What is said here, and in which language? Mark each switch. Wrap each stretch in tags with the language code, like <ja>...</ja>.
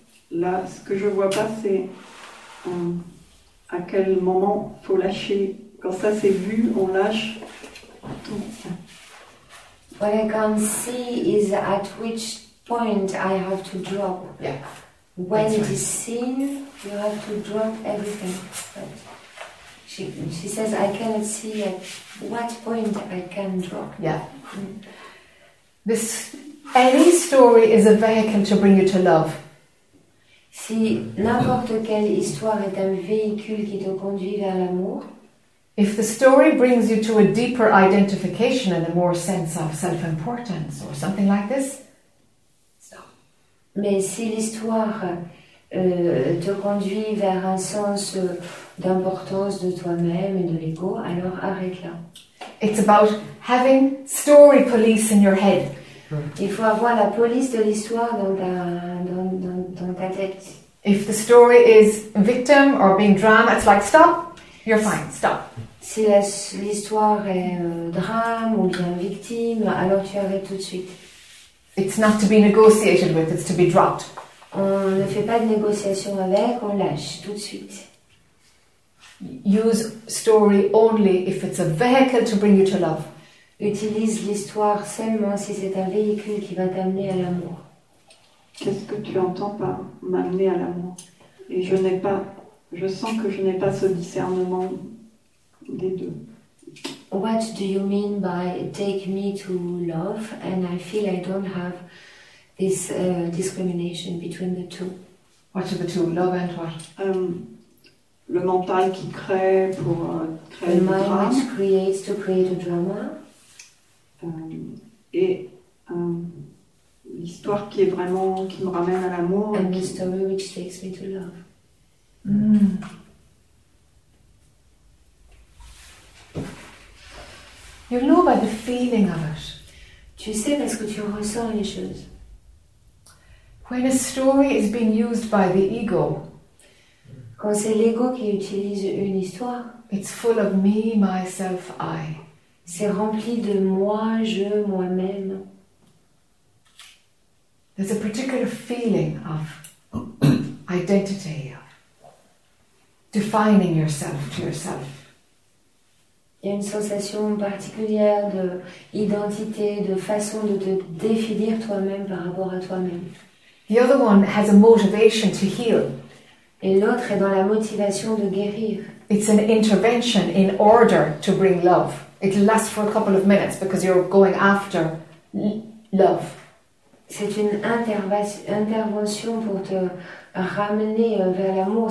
<fr>Là, ce que je vois pas, c'est à quel moment faut lâcher. Quand ça c'est vu, on lâche tout.</fr> <en>What I can see is at which point I have to drop. Yeah. When it is seen, you have to drop everything. But she says I cannot see at what point I can drop. Yeah. This any story is a vehicle to bring you to love.</en> <fr>Si n'importe quelle histoire est un véhicule qui te conduit vers l'amour.</fr> <en>If the story brings you to a deeper identification and a more sense of self-importance or something like this, stop.</en> <fr>Mais si l'histoire te conduit vers un sens d'importance de toi-même et de l'ego, alors arrête là.</fr> <en>It's about having story police in your head.</en> <fr>Il faut avoir la police de l'histoire dans ta tête.</fr> <en>If the story is victim or being drama, it's like stop. You're fine. Stop.</en> <fr>Si l'histoire est drame ou bien victime, alors tu arrêtes tout de suite.</fr> <en>It's not to be negotiated with, it's to be dropped.</en> <fr>On ne fait pas de négociation avec, on lâche tout de suite.</fr> <en>Use story only if it's a vehicle to bring you to love.</en> <fr>Utilise l'histoire seulement si c'est un véhicule qui va t'amener à l'amour. Qu'est-ce que tu entends par m'amener à l'amour? Et je n'ai pas, je sens que je n'ai pas ce discernement.</fr> <en>What do you mean by take me to love? And I feel I don't have this discrimination between the two. What are the two? Love and what?</en> <fr>Le mental qui crée pour créer le drame.</fr> <en>The mind which creates to create a drama.</en> <fr>L'histoire qui est vraiment qui me ramène à l'amour.</fr> <en>And</en> <fr>qui...</fr> <en>the story which takes me to love. Mm. You know by the feeling of it.</en> <fr>Tu sais parce que tu ressens les choses.</fr> <en>When a story is being used by the ego,</en> <fr>quand c'est l'ego qui utilise une histoire,</fr> <en>it's full of me, myself, I.</en> <fr>C'est rempli de moi, je, moi-même.</fr> <en>There's a particular feeling of identity, of defining yourself to yourself.</en> <fr>Il y a une sensation particulière de identité, de façon de te définir toi-même par rapport à toi-même.</fr> <en>The other one has a motivation to heal.</en> <fr>Et l'autre est dans la motivation de guérir.</fr> <en>It's an intervention in order to bring love. It lasts for a couple of minutes because you're going after love.</en> <fr>C'est une intervention pour te ramener vers l'amour.</fr>